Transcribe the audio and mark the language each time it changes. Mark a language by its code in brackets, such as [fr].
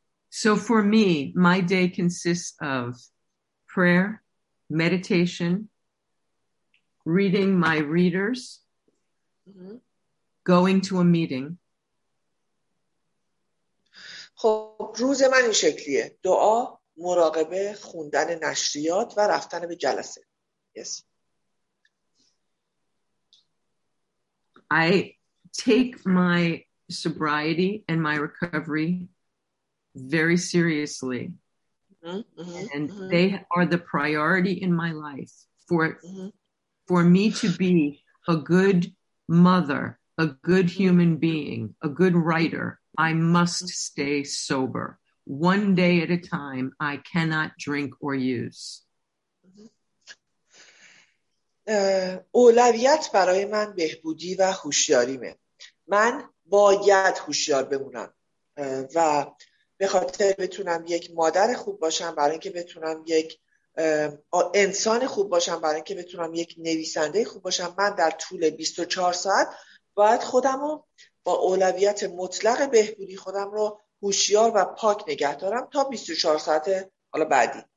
[en] So for me, my day consists of prayer, meditation, reading my readers, going to a meeting. [fa] خب روز من این شکلیه. دعا، مراقبه، خوندن نشریات و رفتن به جلسه. [en] Yes. I take my sobriety and my recovery very seriously. And they are the priority in my life for me to be a good mother, a good human being, a good writer. I must stay sober one day at a time, I cannot drink or use. [fa] اولویت برای من بهبودی و هوشیاریمه. من باید هوشیار بمونم و به خاطر بتونم یک مادر خوب باشم، برای اینکه بتونم یک انسان خوب باشم، برای اینکه بتونم یک نویسنده خوب باشم، من در طول 24 ساعت باید خودم رو با اولویت مطلق بهبودی خودم رو هوشیار و پاک نگه دارم تا 24 ساعت حالا بعدی.